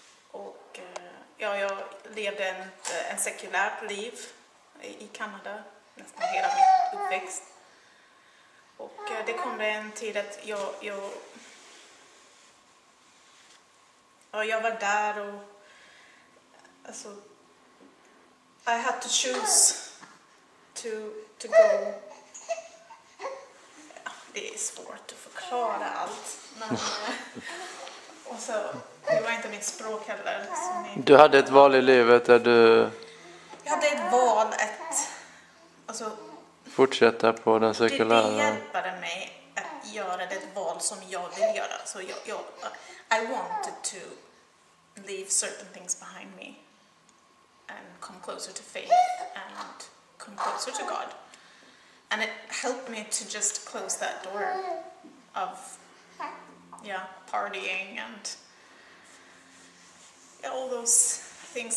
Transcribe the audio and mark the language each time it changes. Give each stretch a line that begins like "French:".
Swedish: Och ja, jag levde en sekulärt liv i Kanada, nästan hela mitt uppväxt. Och det kom en tid att jag var där och... Alltså,
English: I had to choose to go.
Swedish: Det är svårt att förklara allt. Men, och så, det var inte mitt språk heller. Du hade ett val i livet där du... Jag hade ett val att... fortsätta på den sekulära... Det hjälpade mig att göra det val som jag vill göra. Så
English: I wanted to leave certain things behind me. And come closer to faith. And come closer to God. And it helped me to just close that door of, partying and all those things.